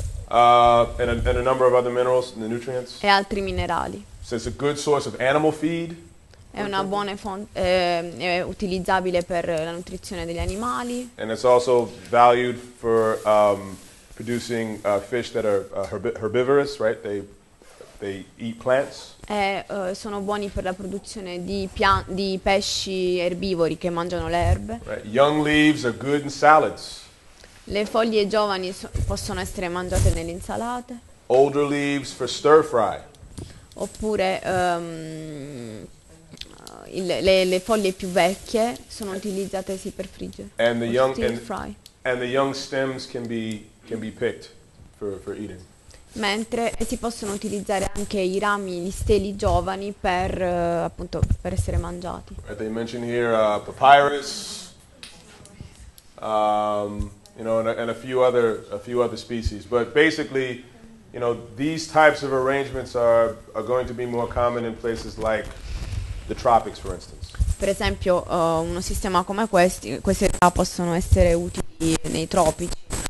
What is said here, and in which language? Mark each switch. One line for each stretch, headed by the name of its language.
English: and a number of other minerals and the nutrients.
Italian: e altri minerali.
English: So it's a good source of animal feed.
Italian: È una buona fonte, è utilizzabile per la nutrizione degli animali.
English: And it's also valued for producing fish that are herbivorous, right? They eat plants.
Italian: Sono buoni per la produzione di pesci erbivori che mangiano le erbe.
English: Right. Young leaves are good in salads.
Italian: Le foglie giovani possono essere mangiate nelle insalate.
English: Older leaves for stir fry.
Italian: Oppure le foglie più vecchie sono utilizzate sì per friggere
English: And the
Italian: o
English: young stir fry. and the young stems can be picked for eating.
Italian: Mentre si possono utilizzare anche i rami, gli steli giovani per appunto per essere mangiati.
English: Right, they mention here papyrus, and a few other species. But basically, these types of arrangements are going to be more common in places like the tropics, for instance.
Italian: Per esempio, uno sistema come queste realtà possono essere utili nei tropici.